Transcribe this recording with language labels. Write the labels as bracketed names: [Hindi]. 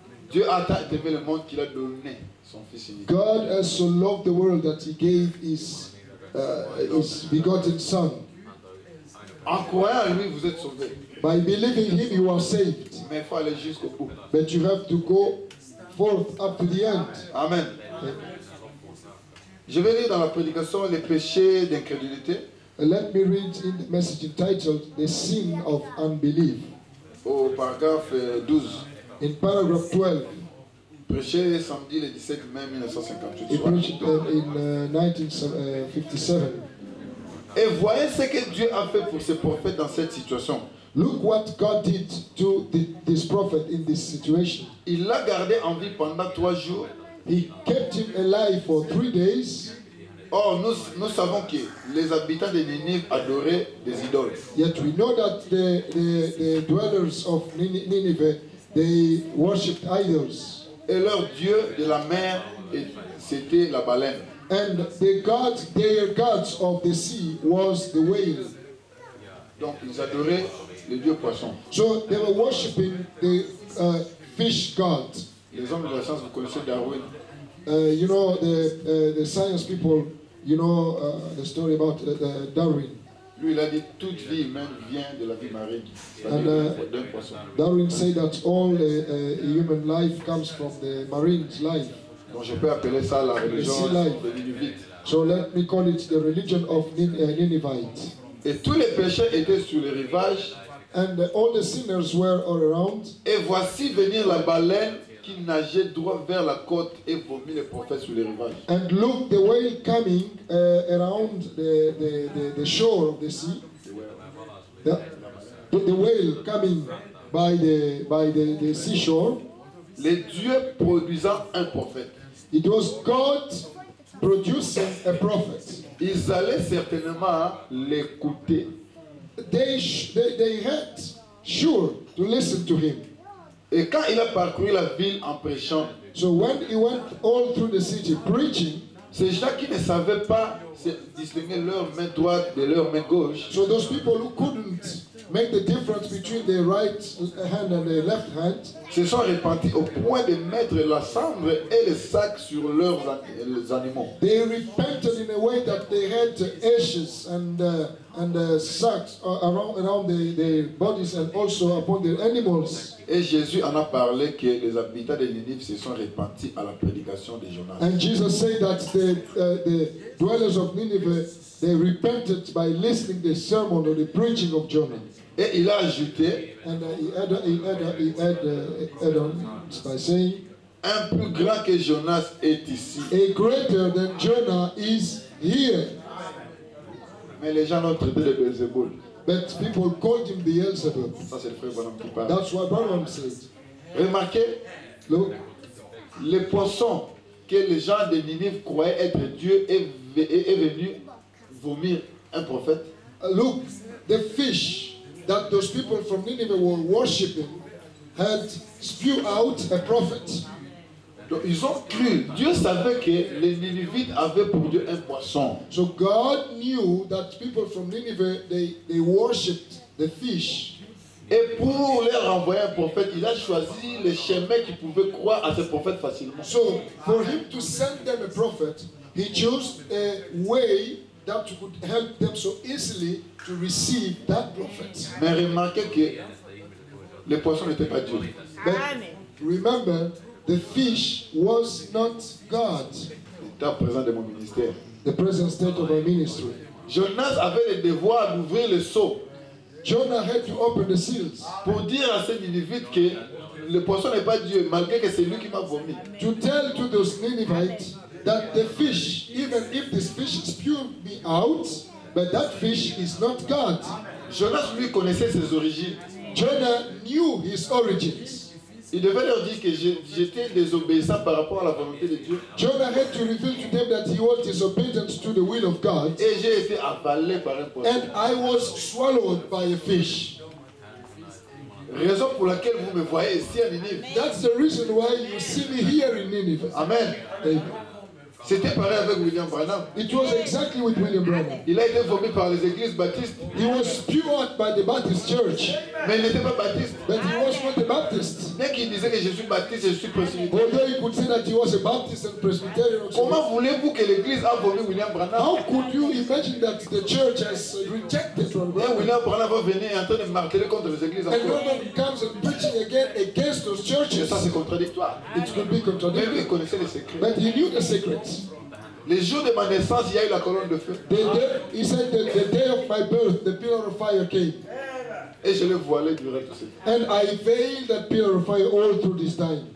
[French] Dieu a tant aimé le monde qu'il a donné son fils unique. [English] God has so loved the world that he gave his begotten son. [French] En croyant en lui, vous êtes sauvés. [English] By believing in him, you are saved. [French] Mais il faut aller jusqu'au bout. [English] But you have to go forth up to the end. Amen. [French] Je vais lire dans la prédication les péchés d'incrédulité. [English] Let me read in the message entitled The Sin of Unbelief. [French] Au paragraphe 12. [English] In paragraph 12. [French] Prêché samedi le 17 mai 1958. [English] In 1957. [French] Et voyez ce que Dieu a fait pour ses prophètes dans cette situation. [English] Look what God did to this prophet in this situation. [French] Il l'a gardé en vie pendant 3 jours. [English] He kept him alive for 3 days. [French] Or, nous savons que les habitants de Ninive adoraient des idoles. [English] Yet we know that the dwellers of Nineveh, they worshipped idols. [French] Et leur dieu de la mer, c'était la baleine. [English] And the god, their gods of the sea, was the whale. [French] Donc ils adoraient le dieu poisson. [English] So they were worshipping the fish god. [French] Les hommes de la science, vous connaissez Darwin. [English] You know the science people. You know the story about Darwin. [French] Lui, il a dit toute vie humaine vient de la vie marine. [English] And Darwin said that all human life comes from the marine life. [French] Donc je peux appeler ça la religion de Ninivite. [English] So let me call it the religion of Ninivite. [French] Et tous les pécheurs étaient sur le rivage. [English] And all the sinners were all around. [French] Et voici venir la baleine. Qui nageait droit vers la côte et vomit les prophètes sur les rivages. [English] And look, the whale coming around the shore of the sea. The whale coming by the seashore. [French] Les dieux produisant un prophète. [English] It was God producing a prophet. [French] Ils allaient certainement l'écouter. [English] They had sure to listen to him. [French] Et quand il a parcouru la ville en prêchant, [English] so when he went all through the city preaching, [French] ces gens qui ne savaient pas distinguer leur main droite de leur main gauche, [English] so those people who couldn't make the difference between their right hand and their left hand, [French] se sont repentis au point de mettre la cendre et le sac sur leurs animaux. [English] They repented in a way that they had ashes and sacks around their bodies and also upon their animals. [French] Et Jésus en a parlé que les habitants de Ninive se sont repentis à la prédication de Jonas. [English] And Jesus said that the dwellers of Nineveh, they repented by listening to the sermon or the preaching of Jonah. [French] Et il a ajouté, [English] and he added by saying, [French] un plus grand que Jonas est ici. [English] A greater than Jonah is here. [French] Mais les gens l'ont traité de Beelzebul. [English] But people called him Beelzebul. [French] Ça, c'est le frère Branham qui parle. [English] That's what Branham said. [French] Remarquez, [English] look, [French] les poissons que les gens de Ninive croyaient être Dieu est venu vomir un prophète. [English] Look, the fish that those people from Nineveh were worshipping had spewed out a prophet. [French] Donc ils ont cru. Dieu savait que les Ninivites avaient pour Dieu un poisson. [English] So God knew that people from Nineveh they worshipped the fish. [French] Et pour leur envoyer un prophète, il a choisi les chemins qui pouvaient croire à ce prophète facilement. [English] So for him to send them a prophet, he chose a way that could help them so easily to receive that prophet. [French] Mais remarquez que les poissons n'étaient pas Dieu. [English] But remember, the fish was not God. [French] Était présent de mon ministère. [English] The present state of my ministry. [French] Jonas avait le devoir d'ouvrir le seau. [English] Jonah had to open the seals. [French] Pour dire à ces Ninivites que le poisson n'est pas Dieu, malgré que c'est lui qui m'a vomi. [English] To tell to those Ninivites that the fish, even if this fish spewed me out, but that fish is not God. [French] Jonas lui connaissait ses origines. [English] Jonah knew his origins. [French] Il devait leur dire que j'étais désobéissant par rapport à la volonté de Dieu. [English] Jonah had to reveal to them that he was disobedient to the will of God. [French] Et j'ai été avalé par un poisson. [English] And I was swallowed by a fish. [French] Raison pour laquelle vous me voyez ici à Ninive. [English] That's the reason why you see me here in Ninive. Amen. Amen. [French] C'était pareil avec William Branham. [English] It was exactly with William Branham. [French] Il a été vomi par les églises baptistes. [English] He was spewed by the Baptist church. [French] Mais il n'était pas baptiste. [English] But he was not a Baptist. [French] Bien qu'il disait que je suis baptiste, je suis presbytérien. [English] Although he could say that he was a Baptist and Presbyterian. [French] Comment voulez-vous que l'église a vomi William Branham? [English] How could you imagine that the church has rejected from Branham? [French] William Branham va venir et en train de marteler contre les églises. [English] And Branham comes and preaching again against those churches. [French] Mais ça c'est contradictoire. [English] It could be contradictory. [French] Mais lui, il connaissait les secrets. [English] But he knew the secrets. [French] Les jours de ma naissance, il y a eu la colonne de feu. [English] He said that the day of my birth, the pillar of fire came. [French] Et je l'ai voilé du reste aussi. [English] And I veiled that pillar of fire all through this time.